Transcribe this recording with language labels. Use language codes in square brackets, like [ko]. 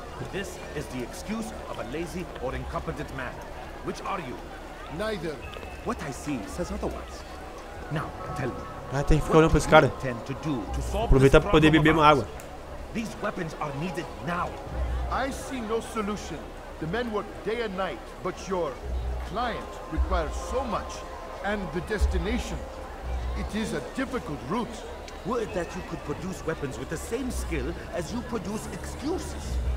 [en] This is the excuse of a lazy or incompetent man. Which are you? Neither. What I see says otherwise. Now, tell me. [pt] Ah, tem que ficar olhando pra esse cara. Aproveitar pra poder beber uma água. [en] These weapons are needed now. I see no solution. The men work day and night, but your client requires so much, and the destination. It is a difficult route. Would that you could produce weapons with the same skill as you produce excuses.